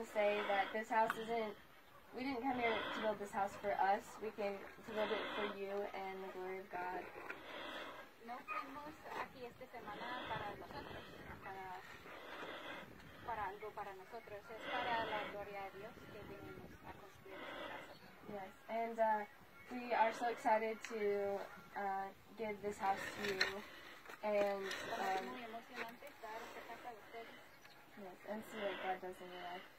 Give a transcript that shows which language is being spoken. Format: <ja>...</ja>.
<en>We didn't come here to build this house for us. We came to build it for you and the glory of God.</en> <es>No fuimos aquí esta semana para nosotros, para algo para nosotros. Es para la gloria de Dios que venimos a construir esta casa.</es> <en>Yes, and we are so excited to give this house to you. And</en> <es>muy emocionante dar esta casa a ustedes.</es> <en>Yes, and see what God does in your life.</en>